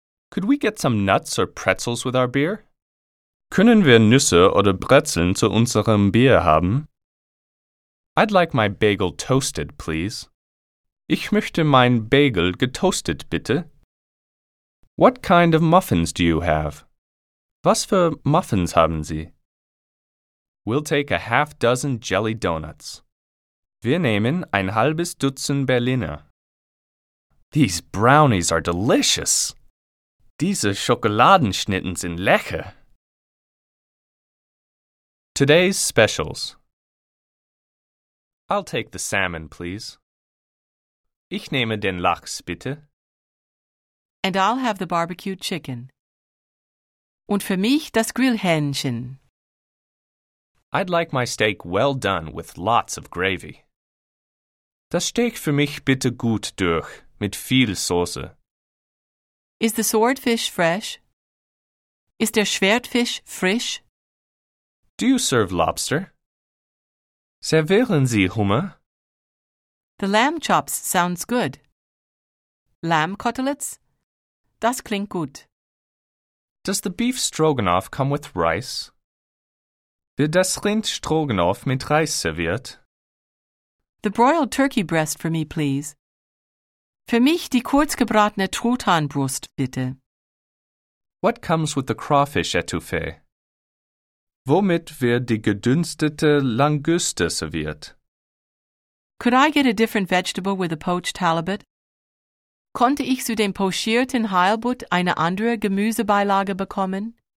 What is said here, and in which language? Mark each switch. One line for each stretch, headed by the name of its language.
English: Could we get some nuts or pretzels with our beer?
German: Können wir Nüsse oder Brezeln zu unserem Bier haben?
English: I'd like my bagel toasted, please.
German: Ich möchte mein Bagel getoastet, bitte.
English: What kind of muffins do you have?
German: Was für Muffins haben Sie?
English: We'll take a half dozen jelly donuts.
German: Wir nehmen ein halbes Dutzend Berliner.
English: These brownies are delicious.
German: Diese Schokoladenschnitten sind lecker.
English: Today's specials. I'll take the salmon, please.
German: Ich nehme den Lachs, bitte.
English: And I'll have the barbecue chicken.
German: Und für mich das Grillhähnchen.
English: I'd like my steak well done with lots of gravy.
German: Das Steak für mich bitte gut durch, mit viel Soße.
English: Is the swordfish fresh?
German: Ist der Schwertfisch frisch?
English: Do you serve lobster?
German: Servieren Sie Hummer?
English: The lamb chops sounds good. Lamb cutlets?
German: Das klingt gut.
English: Does the beef stroganoff come with rice?
German: Wird das Rind Stroganoff mit Reis serviert?
English: The broiled turkey breast for me, please.
German: Für mich die kurzgebratene Truthahnbrust, bitte.
English: What comes with the crawfish etouffee?
German: Womit wird die gedünstete Languste serviert?
English: Could I get a different vegetable with a poached halibut? Konnte ich zu dem pochierten Heilbutt eine andere Gemüsebeilage bekommen?